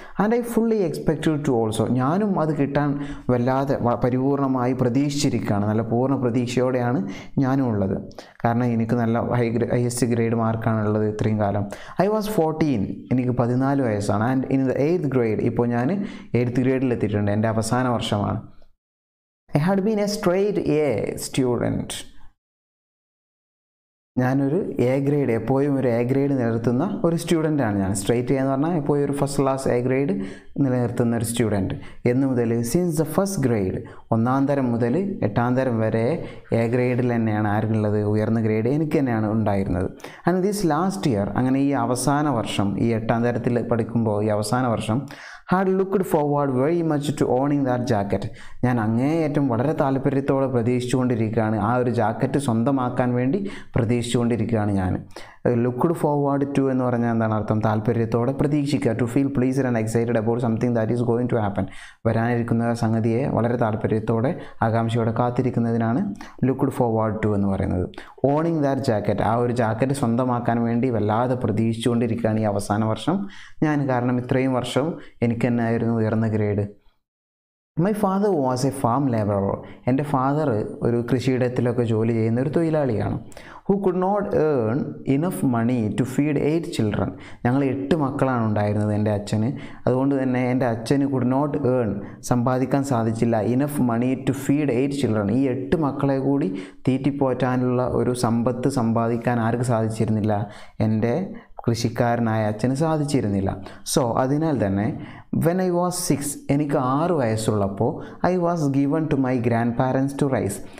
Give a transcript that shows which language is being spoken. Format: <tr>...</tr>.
<en>and I fully expected to also,</en> <ml>ഞാനും അത് കിട്ടാൻ വല്ലാതെ പരിപൂർണമായി പ്രതീക്ഷിച്ചിരിക്കുകയാണ്, നല്ല പൂർണ്ണ പ്രതീക്ഷയോടെയാണ് ഞാനും ഉള്ളത്, കാരണം എനിക്ക് നല്ല ഹൈയസ്റ്റ് ഗ്രേഡ് മാർക്കാണുള്ളത് ഇത്രയും കാലം.</ml> <en>I was 14,</en> <ml>എനിക്ക് 14 വയസ്സാണ്.</ml> <en>and in the eighth grade,</en> <ml>ഇപ്പോൾ ഞാൻ എയ്ത്ത് ഗ്രേഡിലെത്തിയിട്ടുണ്ട്, എൻ്റെ അവസാന വർഷമാണ്.</ml> <en>I had been a straight A student.</en> <ml>ഞാനൊരു എ ഗ്രേഡ്, എപ്പോഴും ഒരു എ ഗ്രേഡ് നിലനിർത്തുന്ന ഒരു സ്റ്റുഡൻ്റാണ് ഞാൻ. സ്ട്രേറ്റ് എന്ന് പറഞ്ഞാൽ എപ്പോഴും ഒരു ഫസ്റ്റ് ക്ലാസ് എ ഗ്രേഡ് നിലനിർത്തുന്ന ഒരു സ്റ്റുഡൻറ്റ് എന്നു മുതൽ,</ml> <en>since the first grade,</en> <ml>ഒന്നാം തരം മുതൽ എട്ടാം തരം വരെ എ ഗ്രേഡിൽ തന്നെയാണ് ആർക്കുള്ളത്, ഉയർന്ന ഗ്രേഡ് എനിക്ക് തന്നെയാണ് ഉണ്ടായിരുന്നത്.</ml> <en>and these last year,</en> <ml>അങ്ങനെ ഈ അവസാന വർഷം, ഈ എട്ടാം തരത്തിൽ പഠിക്കുമ്പോൾ ഈ അവസാന വർഷം,</ml> <en>had looked forward very much to owning that jacket.</en> <ml>ഞാൻ അങ്ങേയറ്റം വളരെ താൽപര്യത്തോടെ പ്രതീക്ഷിച്ചുകൊണ്ടിരിക്കുകയാണ്. ആ ഒരു ജാക്കറ്റ് സ്വന്തമാക്കാൻ വേണ്ടി പ്രതീക്ഷിച്ചുകൊണ്ടിരിക്കുകയാണ് ഞാൻ.</ml> <en>Looked forward to</en> <ml>എന്ന് പറഞ്ഞാൽ എന്താണ് അർത്ഥം? താല്പര്യത്തോടെ പ്രതീക്ഷിക്കുക.</ml> <en>To feel pleased and excited about something that is going to happen.</en> <ml>വരാനിരിക്കുന്ന സംഗതിയെ വളരെ താല്പര്യത്തോടെ ആകാംക്ഷയോടെ കാത്തിരിക്കുന്നതിനാണ്</ml> <en>looked forward to</en> <ml>എന്ന് പറയുന്നത്.</ml> <en>owning that jacket,</en> <ml>ആ ഒരു ജാക്കറ്റ് സ്വന്തമാക്കാൻ വേണ്ടി വല്ലാതെ പ്രതീക്ഷിച്ചുകൊണ്ടിരിക്കുകയാണ് ഈ അവസാന വർഷം ഞാൻ. കാരണം ഇത്രയും വർഷം എനിക്ക് തന്നെയായിരുന്നു ഉയർന്ന grade.</ml> <en>My father was a farm laborer.</en> <ml>എൻ്റെ ഫാദർ ഒരു കൃഷിയിടത്തിലൊക്കെ ജോലി ചെയ്യുന്ന ഒരു തൊഴിലാളിയാണ്.</ml> <en>Who could not earn enough money to feed 8 children.</en> <ml>ഞങ്ങൾ 8 മക്കളാണ് ഉണ്ടായിരുന്നത് എൻ്റെ അച്ഛന്. അതുകൊണ്ട് തന്നെ എൻ്റെ അച്ഛന്</ml> <en>could not earn,</en> <ml>സമ്പാദിക്കാൻ സാധിച്ചില്ല</ml> <en>Enough money to feed 8 children.</en> <ml>ഈ 8 മക്കളെ കൂടി തീറ്റിപ്പോറ്റാനുള്ള ഒരു സമ്പത്ത് സമ്പാദിക്കാൻ ആർക്ക് സാധിച്ചിരുന്നില്ല? എൻ്റെ കൃഷിക്കാരനായ അച്ഛന് സാധിച്ചിരുന്നില്ല. സോ അതിനാൽ തന്നെ</ml> <en>when I was 6,</en> <ml>എനിക്ക് 6 വയസ്സുള്ളപ്പോൾ</ml> <en>I was given to my grandparents to raise.</en>